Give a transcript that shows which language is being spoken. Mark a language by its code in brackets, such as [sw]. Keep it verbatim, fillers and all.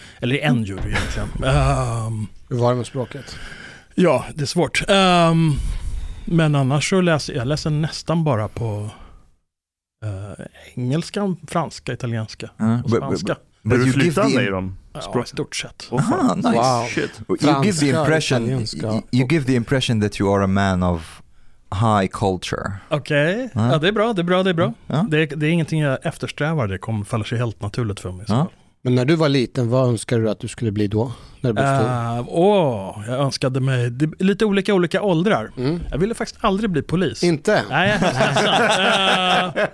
[sv] Eller en jury egentligen. Um, Hur var det med språket? Ja, det är svårt. Um, Men annars så läser jag läser nästan bara på eh, engelska, franska, italienska mm. och spanska. Men du flyttar i dem? Ja, i stort sett. [en] Aha, nice. Wow. Shit. You, franska, give the impression, you, you give the impression that you are a man of high culture. [sv] Okej, okay. mm. ja, det är bra, det är bra, det är bra. Mm. Det, det är ingenting jag eftersträvar, det kommer faller sig helt naturligt för mig. Mm. Men när du var liten, vad önskade du att du skulle bli då? När du uh, åh, jag önskade mig det, lite olika olika åldrar. Mm. Jag ville faktiskt aldrig bli polis. Inte? Nej, jag är